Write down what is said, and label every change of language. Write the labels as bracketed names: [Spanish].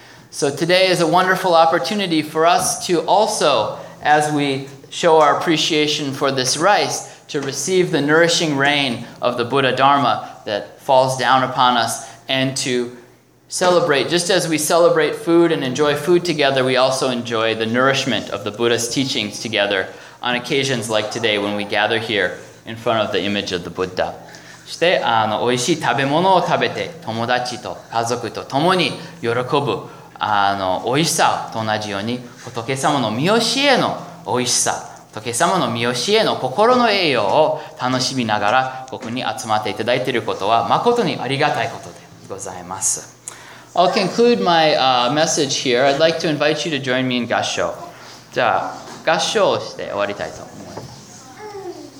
[English] So today is a wonderful opportunity for us to also, as we show our appreciation for this rice,to receive the nourishing rain of the Buddha Dharma that falls down upon us and to celebrate. Just as we celebrate food and enjoy food together, we also enjoy the nourishment of the Buddha's teachings together on occasions like today when we gather here in front of the image of the Buddha. [Japanese] そして、おいしい食べ物を食べて友達と家族と共に喜ぶおいしさと同じように仏様の御教えのおいしさ仏様の御教えの心の栄養を楽しみながらここに集まっていただいていることは誠にありがたいことでございます。 [English] I'll conclude my message here. I'd like to invite you to join me in 合唱。 [Japanese] じゃあ合唱をして終わりたいと思います。